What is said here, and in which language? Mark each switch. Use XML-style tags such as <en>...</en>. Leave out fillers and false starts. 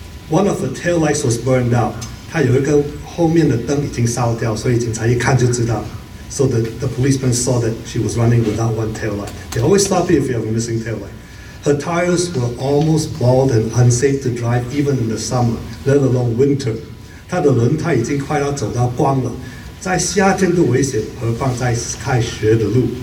<en>One of the tail lights was burned out.</en> <zh>它有一个后面的灯已经烧掉，所以警察一看就知道.</zh> <en>So the policeman saw that she was running without one tail light. They always stop you if you have a missing tail light. Her tires were almost bald and unsafe to drive even in the summer, let alone winter.</en> <zh>她的轮胎已经快要走到光了，在夏天都危险，何况在开学的路.</zh>